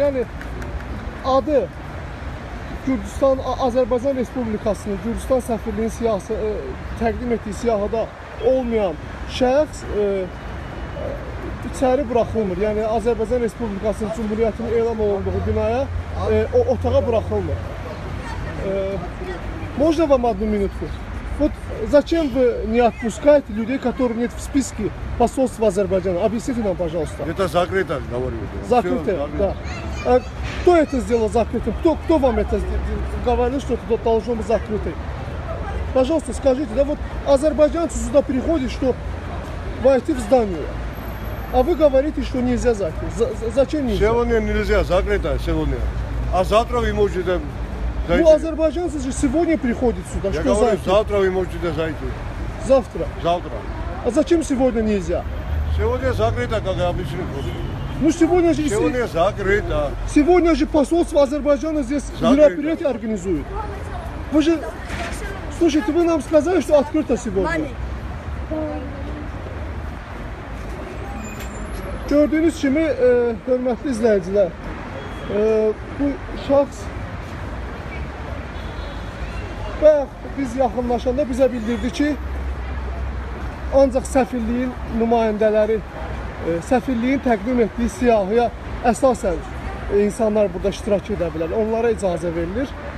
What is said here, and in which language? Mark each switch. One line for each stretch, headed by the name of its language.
Azerbaijani: Yəni, adı Gürcüstan, Azərbaycan Respublikasının Gürcüstan səfirliyinin siyahısı, təqdim etdiyi siyahıda olmayan şəxs içəri buraxılmır. Yəni, Azərbaycan Respublikasının Cümhuriyyətinin elan olunduğu binaya o otağa buraxılmır.
Russian: Можно вам одну минутку? Вот зачем вы не отпускаете людей, которые нет в списке посольства Азербайджана? Объясните нам, пожалуйста. Это закрыто, говорю. Закрыто, да. А кто это сделал закрытым? Кто вам это говорил, что это должно быть закрыто? Пожалуйста, скажите, да вот азербайджанцы сюда приходят, чтобы войти в здание. А вы говорите, что нельзя закрыть. Зачем нельзя? Сегодня нельзя закрыто, сегодня. А завтра вы можете... Ну, азербайджанцы же сегодня приходят сюда. Я говорю, завтра вы можете зайти. Завтра? Завтра. А зачем сегодня нельзя? Сегодня закрыто, как обычно. Ну, сегодня же... Сегодня закрыто. Сегодня же посольство Азербайджана здесь мероприятие организует. Вы же... Слушайте, вы нам сказали, что открыто сегодня.
Azerbaijani: Gördüyünüz kimi, hörmətli izləyicilər, bu şəxs bayaq biz yaxınlaşanda bizə bildirdi ki, ancaq səfirliyin nümayəndələri, səfirliyin təqdim etdiyi siyahıya əsasən insanlar burada iştirak edə bilər, onlara icazə verilir.